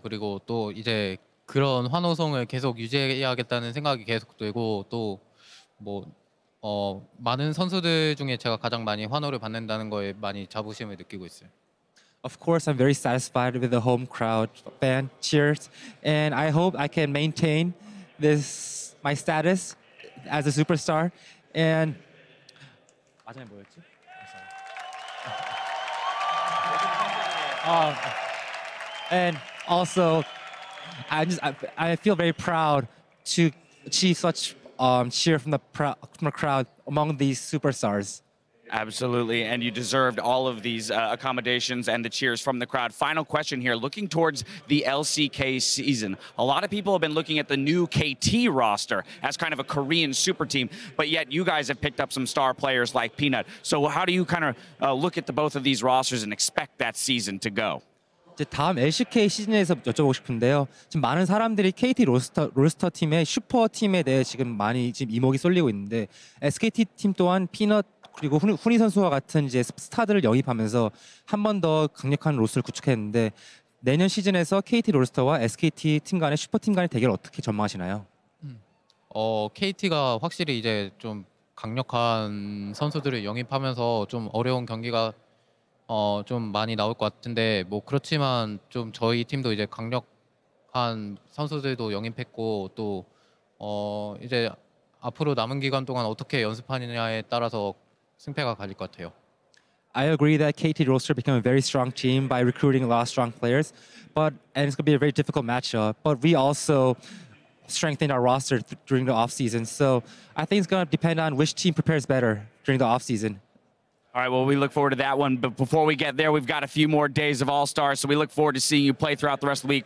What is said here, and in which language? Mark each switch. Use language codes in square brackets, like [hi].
[ko] 그리고 또 이제 그런 환호성을 계속 유지해야겠다는 생각이 계속 들고 또 뭐 많은 선수들 중에 제가 가장 많이 환호를 받는다는 거에 많이 자부심을 느끼고 있어요. [en] Of course, I'm very satisfied with the home crowd fan cheers, and I hope I can maintain this my status as a superstar. And [ko] 마지막에 뭐였지? [en] And also, I feel very proud to achieve such cheer from the crowd among these superstars. Absolutely, and you deserved all of these accommodations and the cheers from the crowd. Final question here, looking towards the LCK season, a lot of people have been looking at the new KT roster as kind of a Korean super team, but yet you guys have picked up some star players like Peanut. So how do you kind of look at the both of these rosters and expect that season to go? [ko] 이제 다음 LCK 시즌에서 여쭤보고 싶은데요. 지금 많은 사람들이 KT 로스터 팀의 슈퍼 팀에 대해 지금 많이 지금 이목이 쏠리고 있는데 SKT 팀 또한 Peanut 그리고 후니 선수와 같은 이제 스타들을 영입하면서 한 번 더 강력한 로스터를 구축했는데 내년 시즌에서 KT 롤스터와 SKT 팀 간의 슈퍼 팀 간의 대결 어떻게 전망하시나요? KT가 확실히 이제 좀 강력한 선수들을 영입하면서 좀 어려운 경기가 좀 많이 나올 것 같은데 뭐 그렇지만 좀 저희 팀도 이제 강력한 선수들도 영입했고 또 이제 앞으로 남은 기간 동안 어떻게 연습하느냐에 따라서 승패가 갈릴 것 같아요. [en] I agree that KT roster became a very strong team by recruiting a lot of strong players, and it's going to be a very difficult matchup. But we also strengthened our roster during the off season, so I think it's going to depend on which team prepares better during the off season. All right, well, we look forward to that one. But before we get there, we've got a few more days of All Stars, so we look forward to seeing you play throughout the rest of the week.